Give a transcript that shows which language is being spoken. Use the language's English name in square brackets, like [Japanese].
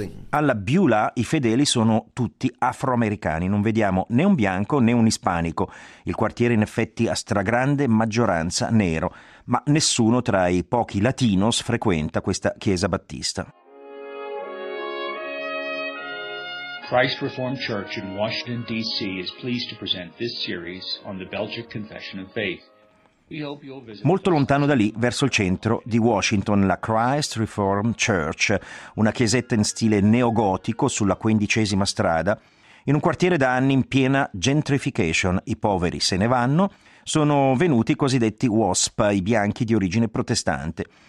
[Italian] Alla Beulah i fedeli sono tutti afroamericani, non vediamo né un bianco né un ispanico. Il quartiere in effetti ha stragrande maggioranza nero, ma nessuno tra i pochi latinos frequenta questa chiesa battista. [English] Christ Reformed Church in Washington DC is pleased to present this series on the Belgic Confession of Faith. [Italian] Molto lontano da lì, verso il centro di Washington, la Christ Reformed Church, una chiesetta in stile neogotico sulla 15ª strada, in un quartiere da anni in piena gentrification. I poveri se ne vanno, sono venuti i cosiddetti WASP, i bianchi di origine protestante.